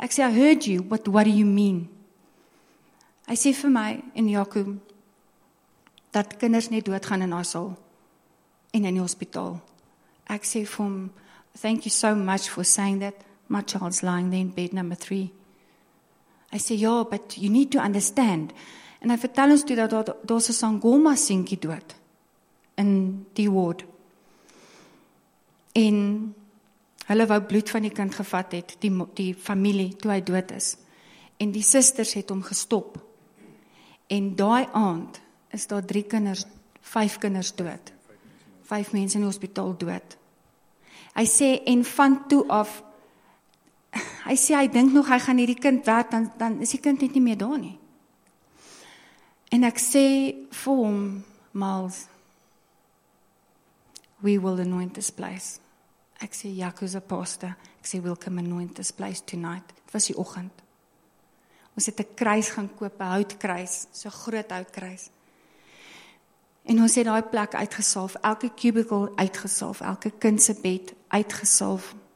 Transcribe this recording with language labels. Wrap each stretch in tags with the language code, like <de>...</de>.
<af>Ek sê, I heard you, but what do you mean? Hy sê vir my en Jaco, dat kinders net doodgaan in haar sal en in die hospitaal.</af> <en>Ek sê vir hom, thank you so much for saying that, my child's lying there in bed number 3. Hy sê, ja, but you need to understand.</en> <af>En hy vertel ons toe dat daar is 'n Sangoma seentjie dood in die ward. En hulle wou bloed van die kind gevat het, die familie, toe hy dood is. En die sisters het hom gestop. En daai aand is daar 5 kinders dood. 5 mense in die hospitaal dood. Hy sê, en van toe af, hy sê, hy dink nog, hy gaan hierdie kind werk, dan is die kind net nie meer daar nie. En ek sê vir hom, Miles, we will anoint this place. Ek sê, Jaco's a pastor.</af> <en>Ek sê, we'll come anoint this place tonight.</en> <af>Het was die oggend. Ons het 'n kruis gaan koop, 'n houtkruis, so groot houtkruis. En ons het daai plek uitgesalf, elke cubicle uitgesalf, elke kind se bed uitgesalf.</af>